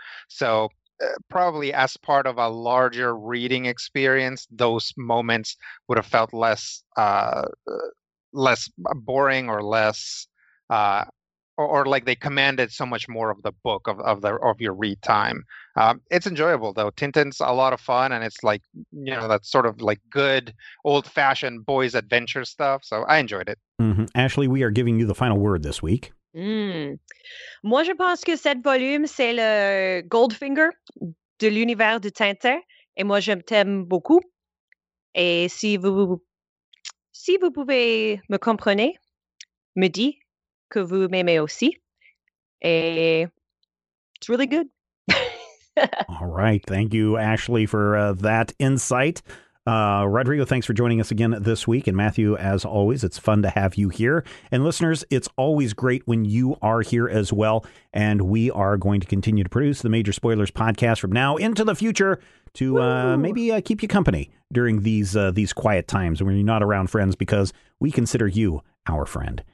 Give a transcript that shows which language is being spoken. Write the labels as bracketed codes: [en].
[en] So probably as part of a larger reading experience, those moments would have felt less less boring or less or like they commanded so much more of the book of your read time. It's enjoyable though. Tintin's a lot of fun, and it's like, you know, that sort of like good old fashioned boys adventure stuff. So I enjoyed it. Mm-hmm. Ashley, we are giving you the final word this week. [fr] Moi, je pense que cet volume, c'est le Goldfinger de l'univers de Tintin. Et moi, je t'aime beaucoup. Et si vous pouvez me comprenez, me dis que vous m'aimez aussi. [en] Et it's really good. All right. Thank you, Ashley, for that insight. Rodrigo, thanks for joining us again this week. And Matthew, as always, it's fun to have you here. And listeners, it's always great when you are here as well. And we are going to continue to produce the Major Spoilers podcast from now into the future to maybe keep you company during these quiet times when you're not around friends, because we consider you our friend.